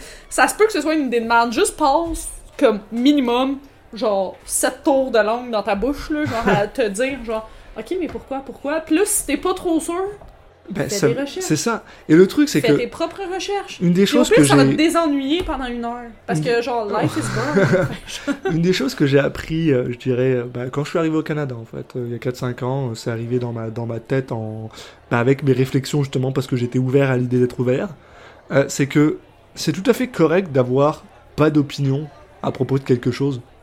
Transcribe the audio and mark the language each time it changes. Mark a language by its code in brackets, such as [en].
[fr] Ça se peut que ce soit une idée de merde. Juste pense, comme minimum, genre, 7 tours de langue dans ta bouche, là, genre, à te dire, genre... Ok, mais pourquoi? Plus, si t'es pas trop sûr, ben, fais ça, des recherches. C'est ça. Et le truc, c'est fais que... Fais tes propres recherches. Une des choses que plus, j'ai... ça va te désennuyer pendant une heure. Parce que, genre, [en] life is boring. [fr] Une des choses que j'ai appris, je dirais, ben, quand je suis arrivé au Canada, en fait, il y a 4-5 ans, c'est arrivé dans ma tête, en... ben, avec mes réflexions, justement, parce que j'étais ouvert à l'idée d'être ouvert, c'est que c'est tout à fait correct d'avoir pas d'opinion à propos de quelque chose.